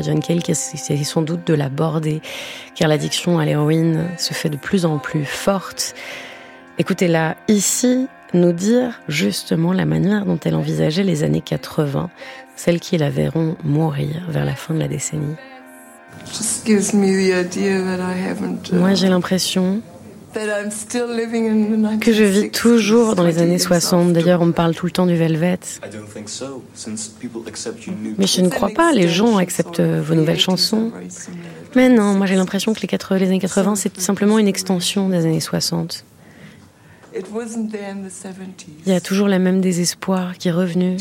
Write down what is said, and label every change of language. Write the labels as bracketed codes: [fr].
[fr] John Cale qui essaie sans doute de l'aborder, car l'addiction à l'héroïne se fait de plus en plus forte. Écoutez-la ici nous dire justement la manière dont elle envisageait les années 80, celles qui la verront mourir vers la fin de la décennie. [en] Just gives me the idea that I haven't, [fr] moi, j'ai l'impression [en] that I'm still living in the 1960s, [fr] que je vis toujours dans les années 60. D'ailleurs, on me parle tout le temps du Velvet. [en] I don't think so, since people accept your new... [fr] Mais je ne crois pas, les gens acceptent vos nouvelles chansons. Mais non, moi j'ai l'impression que les années 80, c'est tout simplement une extension des années 60. Il y a toujours le même désespoir qui est revenu.